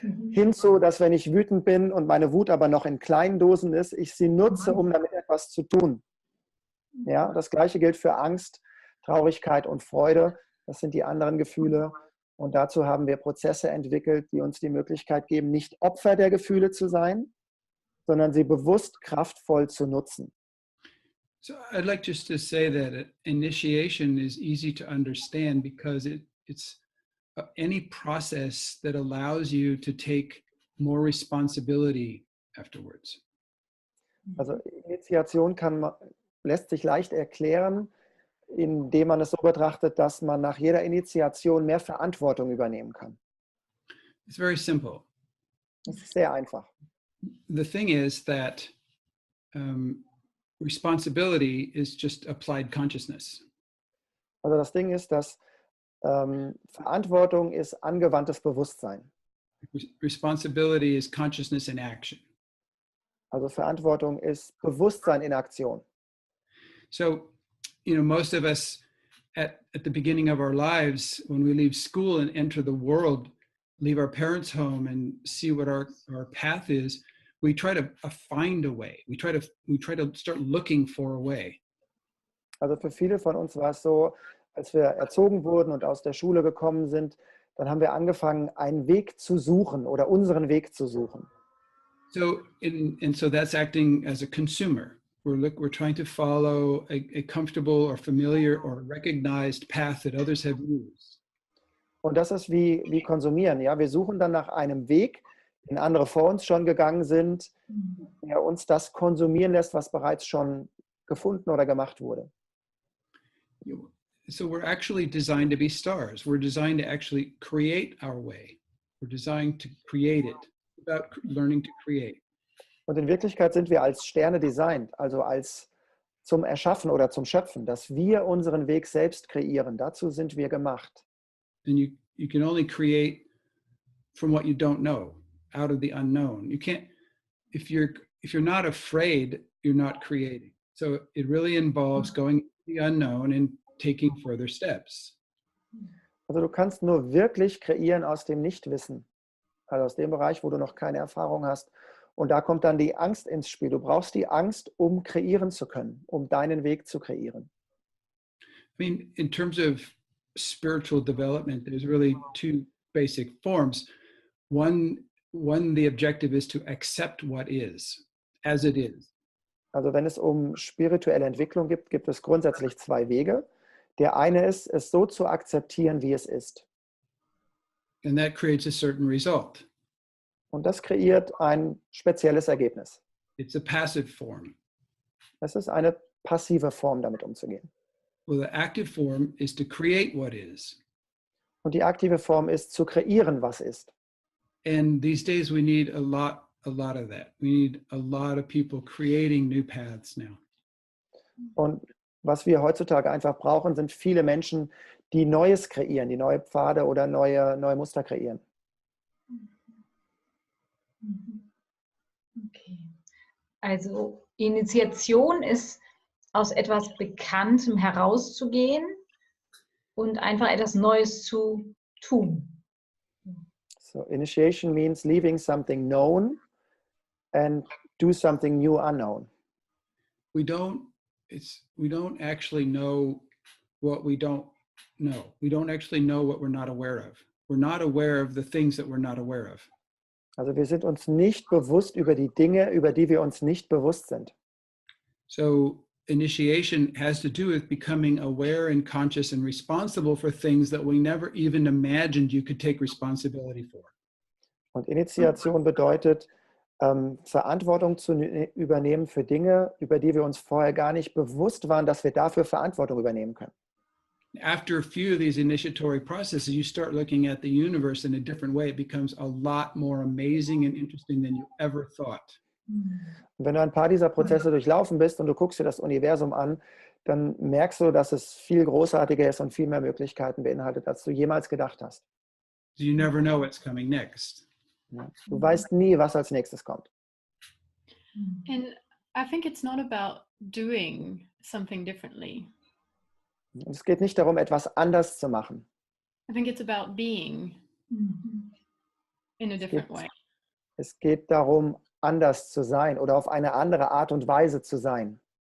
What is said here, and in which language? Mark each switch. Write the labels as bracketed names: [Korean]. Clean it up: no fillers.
[German] Hinzu, dass wenn ich wütend bin und meine Wut aber noch in kleinen Dosen ist, ich sie nutze, um damit etwas zu tun. Ja, das Gleiche gilt für Angst, Traurigkeit und Freude. Das sind die anderen Gefühle. Und dazu haben wir Prozesse entwickelt, die uns die Möglichkeit geben, nicht Opfer der Gefühle zu sein, sondern sie bewusst kraftvoll zu nutzen. [English] So I'd like just to say that initiation is easy to understand because it's any process that allows you to take more responsibility afterwards. [German] Also Initiation lässt sich leicht erklären, indem man es so betrachtet, dass man nach jeder Initiation mehr Verantwortung übernehmen kann. [English] It's very simple. [German] Es ist sehr einfach. [English] The thing is that responsibility is just applied consciousness. [German] Also das Ding ist, dass Verantwortung ist angewandtes Bewusstsein. [English] Responsibility is consciousness in action. [German] Also Verantwortung ist Bewusstsein in Aktion. [English] So, you know, most of us at the beginning of our lives, when we leave school and enter the world, leave our parents' home and see what our path is, we try to find a way. We try to start looking for a way. [German] Also für viele von uns war es so, als wir erzogen wurden und aus der Schule gekommen sind, dann haben wir angefangen, einen Weg zu suchen oder unseren Weg zu suchen. [English] So and so that's acting as a consumer. We're trying to follow a comfortable or familiar or recognized path that others have used. [German] Und das ist wie konsumieren. Ja, wir suchen dann nach einem Weg, den andere vor uns schon gegangen sind, der uns das konsumieren lässt, was bereits schon gefunden oder gemacht wurde. [English] So we're actually designed to be stars. We're designed to actually create our way. We're designed to create it. About learning to create. [German] Und in Wirklichkeit sind wir als Sterne designed, also als zum Erschaffen oder zum Schöpfen, dass wir unseren Weg selbst kreieren. Dazu sind wir gemacht. [English] And you can only create from what you don't know, out of the unknown. You can't, if you're not afraid, you're not creating. So it really involves going into the unknown and taking further steps. [German] Also du kannst nur wirklich kreieren aus dem Nichtwissen, also aus dem Bereich, wo du noch keine Erfahrung hast. Und da kommt dann die Angst ins Spiel. Du brauchst die Angst, um kreieren zu können, um deinen Weg zu kreieren. [English] I mean, in terms of spiritual development, there's really two basic forms. One, the objective is to accept what is, as it is. [German] Also wenn es um spirituelle Entwicklung gibt, gibt es grundsätzlich zwei Wege. Der eine ist, es so zu akzeptieren, wie es ist. [English] And that creates a certain result. [German] Und das kreiert ein spezielles Ergebnis. [English] It's a passive form. [German] Es ist eine passive Form, damit umzugehen. [English] Well, the active form is to create what is. [German] Und die aktive Form ist zu kreieren, was ist. [English] And these days we need a lot of that. We need a lot of people creating new paths now. [German] Und was wir heutzutage einfach brauchen, sind viele Menschen, die Neues kreieren, die neue Pfade oder neue Muster kreieren. [English] Okay. [German] Also Initiation ist, aus etwas Bekanntem herauszugehen und einfach etwas Neues zu tun. [English] So initiation means leaving something known and do something new unknown. We don't actually know what we don't know. We don't actually know what we're not aware of. We're not aware of the things that we're not aware of. [German] Also wir sind uns nicht bewusst über die Dinge, über die wir uns nicht bewusst sind. [English] So initiation has to do with becoming aware and conscious and responsible for things that we never even imagined you could take responsibility for. [German] Und Initiation bedeutet, Verantwortung zu übernehmen für Dinge, über die wir uns vorher gar nicht bewusst waren, dass wir dafür Verantwortung übernehmen können. [English] After a few of these initiatory processes, you start looking at the universe in a different way. It becomes a lot more amazing and interesting than you ever thought. [German] Wenn du ein paar dieser Prozesse durchlaufen bist und du guckst dir das Universum an, dann merkst du, dass es viel großartiger ist und viel mehr Möglichkeiten beinhaltet, als du jemals gedacht hast. [English] You never know what's coming next. [German] Du weißt nie, was als nächstes kommt. [English] And I think it's not about doing something differently. [German] Es geht nicht darum, etwas anders zu machen. [English] I think it's about being in a different way. [German] Es geht darum, anders zu sein oder auf eine andere Art und Weise zu sein.